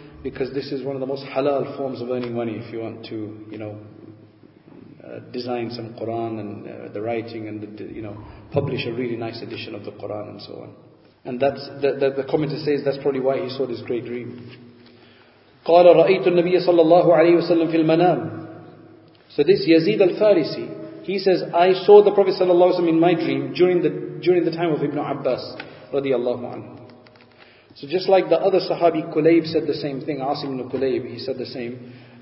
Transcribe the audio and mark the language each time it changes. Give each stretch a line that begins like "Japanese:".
English: Because this is one of the most halal forms of earning money, if you want to, you know, design some Quran and the writing and publish a really nice edition of the Quran and so on. And that's the commentator says that's probably why he saw this great dream.
Arabic: قال رأيت النبي صلى الله عليه وسلم في المنام.
English: So this Yazid al-Farisi, he says, I saw the Prophet
Arabic: صلى الله عليه وسلم
English: in my dream during the time of Ibn Abbas
Arabic: رضي الله عنه.
English: So just like the other Sahabi Kulayb said the same thing, Asim ibn Kulayb, he said the same.